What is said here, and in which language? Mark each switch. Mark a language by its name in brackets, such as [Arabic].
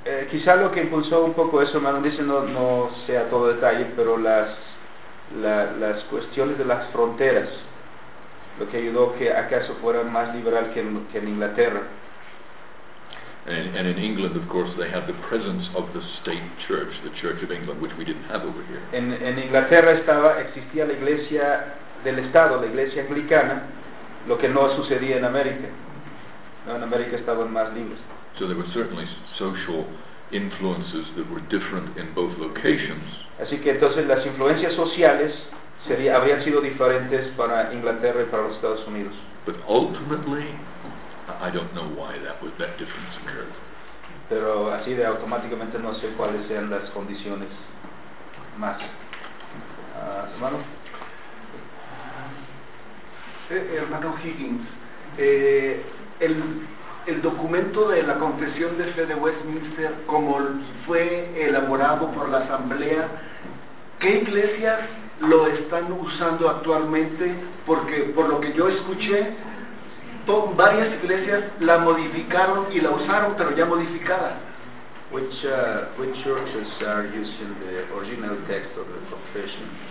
[Spanish] Quizá lo que impulsó un poco eso, hermano, dice no sea todo detalle, pero las cuestiones de las fronteras, lo que ayudó que acaso fuera más liberal que en Inglaterra. [English] And in England, of course, they had the presence of the state church, the Church of England, which we didn't have over here. [Spanish] En Inglaterra existía la iglesia del Estado, la iglesia anglicana, lo que no sucedía en América. No, en América estaban más libres. [English] So there were certainly social influences that were different in both locations. [Spanish] Así que entonces las influencias sociales habrían sido diferentes para Inglaterra y para los Estados Unidos. [English] But ultimately, I don't know why that difference occurred. [Spanish] Pero así de automáticamente no sé cuáles sean las condiciones más. Hermano. Hermano Higgins, el documento de la Confesión de Fe de Westminster, como fue elaborado por la Asamblea, ¿qué iglesias lo están usando actualmente? Porque por lo que yo escuché, varias iglesias la modificaron y la usaron, pero ya modificada. [English] Which churches are using the original text of the confession?